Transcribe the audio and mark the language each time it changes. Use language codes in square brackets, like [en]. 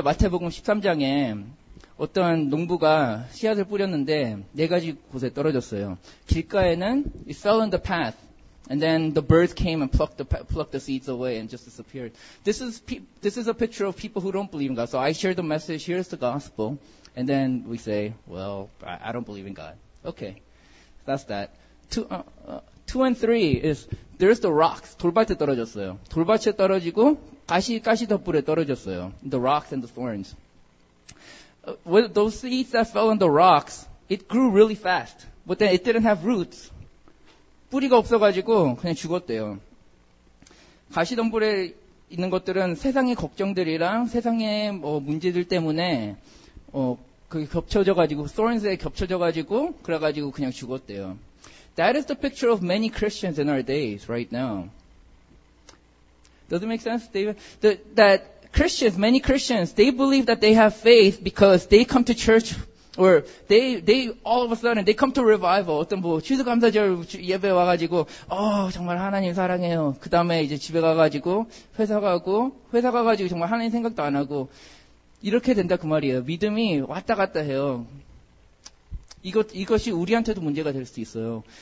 [ko] 마태복음 13장에 어떤 농부가 씨앗을 뿌렸는데 네 가지 곳에 떨어졌어요. 길가에는 [en] it fell in the path. And then the birds came and plucked the seeds away and just disappeared. This is a picture of people who don't believe in God. So I share the message, here's the gospel. And then we say, well, I don't believe in God. Okay, that's that. Two and three is, there's the rocks. [ko] 돌밭에 떨어졌어요. 돌밭에 떨어지고 가시 덤불에 떨어졌어요. [en] The rocks and the thorns. With those seeds that fell on the rocks, it grew really fast. But then it didn't have roots. [ko] 뿌리가 없어가지고 그냥 죽었대요. 가시덤불에 있는 것들은 세상의 걱정들이랑 세상의 뭐 문제들 때문에 그게 겹쳐져가지고 thorns에 겹쳐져가지고 그래가지고 그냥 죽었대요. [en] That is the picture of many Christians in our days right now. Does it make sense, David? That Christians, many Christians, they believe that they have faith because they come to church. Or they all of a sudden they come to revival. [ko] 어떤 뭐 추수감사절 예배 와가지고 정말 하나님 사랑해요. 그 다음에 이제 집에 가가지고 회사 가가지고 정말 하나님 생각도 안 하고 이렇게 된다 그 말이에요. 믿음이 왔다 갔다 해요. 이것이 우리한테도 문제가 될 수 있어요.